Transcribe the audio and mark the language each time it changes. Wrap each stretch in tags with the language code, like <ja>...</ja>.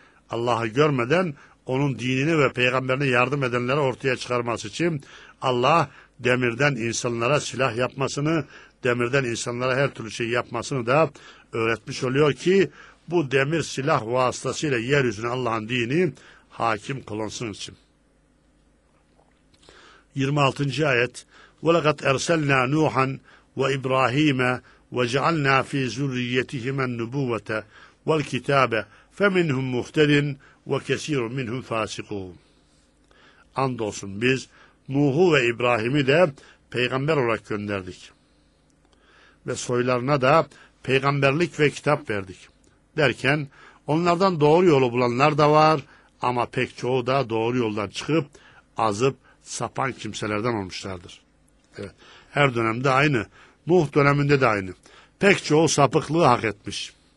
<tr>Allah'ı görmeden onun dinini ve peygamberine yardım edenleri ortaya çıkarması için Allah demirden insanlara silah yapmasını, demirden insanlara her türlü şey yapmasını da öğretmiş oluyor ki bu demir silah vasıtasıyla yeryüzüne Allah'ın dini hakim kılınsın için. 26. ayet.</tr> <ar>وَلَقَدْ اَرْسَلْنَا نُوحًا وَاِبْرَاهِيمَ وَجَعَلْنَا ف۪ي زُرِّيَّتِهِمَا النُّبُوَّةَ وَالْكِتَابَ فَمِنْهُمْ مُهْتَدٍ وَكَس۪يرٌ مِنْهُمْ فَاسِقُونَ.</ar> <tr>Andolsun biz Nuh'u ve İbrahim'i de peygamber olarak gönderdik. Ve soylarına da peygamberlik ve kitap verdik. Derken onlardan doğru yolu bulanlar da var ama pek çoğu da doğru yoldan çıkıp azıp sapan kimselerden olmuşlardır. Evet, her dönemde aynı. Nuh döneminde de aynı. Pek çoğu sapıklığı hak etmiş.</tr>